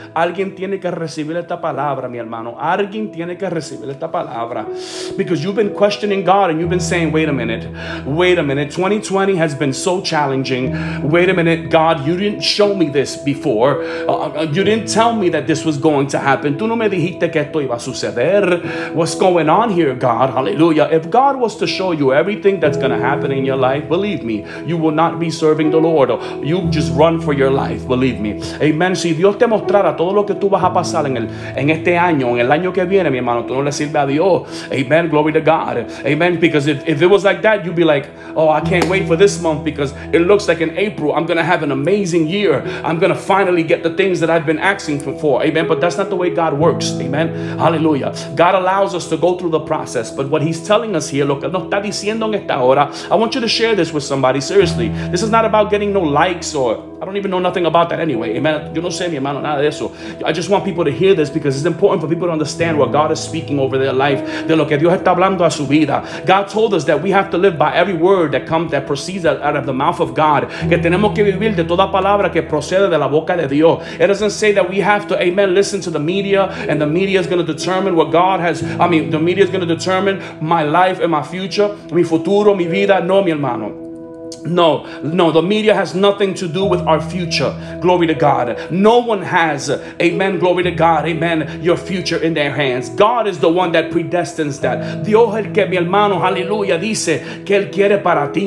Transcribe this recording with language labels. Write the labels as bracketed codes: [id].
[es] Alguien tiene que recibir esta palabra, mi hermano. Alguien tiene que recibir esta palabra. [en] Because you've been questioning God and you've been saying, wait a minute. Wait a minute. 2020 has been so challenging. Wait a minute. God, you didn't show me this before. You didn't tell me that this was going to happen. [es] Tú no me dijiste que esto iba a suceder. [en] What's going on here, God? Hallelujah. If God was to show you everything that's going to happen in your life, believe me, you will not be serving the Lord. You just run for your life, believe me. Amen. [es] Si Dios te mostrara todo lo que tú vas a pasar en este año, en el año que viene, mi hermano, tú no le sirves a Dios. [en] Amen. Glory to God. Amen. Because if it was like that, you'd be like, oh, I can't wait for this month because it looks like in April I'm going to have an amazing year. I'm going to finally get the things that I've been asking for. Amen. But that's not the way God works. Amen. Hallelujah. God allows us to go through the process. But what he's telling us here, [es] lo que nos está diciendo en esta hora, [en] I want you to share this with somebody. Seriously, this is not about getting no likes or I don't even know nothing about that anyway. Amen. [es] Yo no sé, mi hermano, nada de eso. [en] I just want people to hear this because it's important for people to understand what God is speaking over their life. [es] De lo que Dios está hablando a su vida. [en] God told us that we have to live by every word that comes, that proceeds out of the mouth of God. [es] Que tenemos que vivir de toda palabra que procede de la boca de Dios. [en] It doesn't say that we have to, amen, listen to the media and the media is going to determine what God has, I mean, the media is going to determine my life and my future, [es] mi futuro, mi vida. No, mi hermano. [en] No, the media has nothing to do with our future. Glory to God. No one has, amen, glory to God, amen, your future in their hands. God is the one that predestines that. [es] Dios el que mi hermano, hallelujah, dice que él quiere para ti.